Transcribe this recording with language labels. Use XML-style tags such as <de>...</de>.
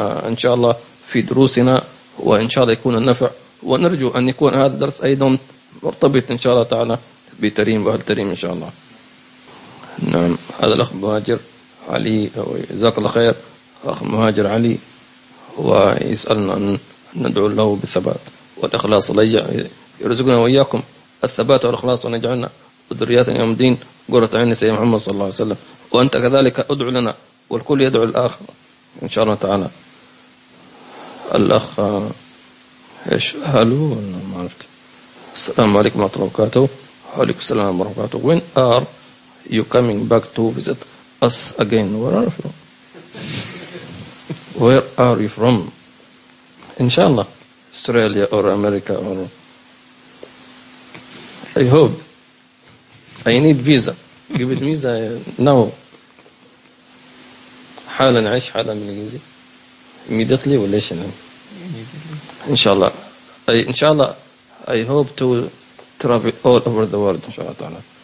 <ar>إن شاء الله في دروسنا وإن شاء الله يكون النفع ونرجو أن يكون هذا الدرس أيضا مرتبط إن شاء الله تعالى بتريم وأهل تريم إن شاء الله نعم هذا الأخ مهاجر علي جزاك الله خير أخ مهاجر علي ويسألنا أن ندعو له بالثبات والإخلاص يرزقنا وإياكم الثبات والإخلاص ونجعلنا ذريات يوم الدين قرة عين سيدنا محمد صلى الله عليه وسلم وأنت كذلك أدعو لنا والكل يدعو الآخر إن شاء الله تعالى الأخ إيش هلو ما عرفت السلام عليكم ورحمة الله وبركاته وعليكم السلام ورحمة الله وبركاته وين آر</ar> <en>You coming back to visit us again? Where are you from? Where are you from? Inshallah, Australia or America or I hope. I need visa. Give it visa now.</en> <ar>حالا عيش حالا بالإنجليزي. Immediately ولا شنو؟ Immediately. إن شاء الله. إن شاء الله.</ar> <en>I hope to travel all over the world.</en> <ar>إن شاء الله تعالى.</ar>